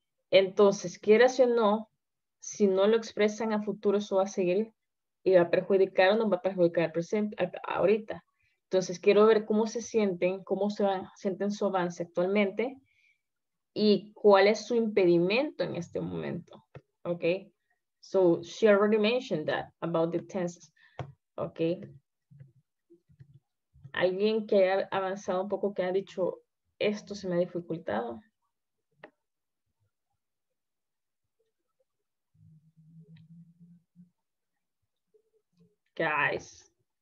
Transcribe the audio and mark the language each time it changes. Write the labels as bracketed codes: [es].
[es] Entonces, quieras o no, si no lo expresan a futuro, eso va a seguir y va a perjudicar o no va a perjudicar al presente, ahorita. Entonces, quiero ver cómo se sienten, cómo se van, sienten su avance actualmente y cuál es su impedimento en este momento. Ok. [en] So, she already mentioned that about the tenses. Ok. [es] ¿Alguien que haya avanzado un poco que haya dicho esto se me ha dificultado? [en] Guys.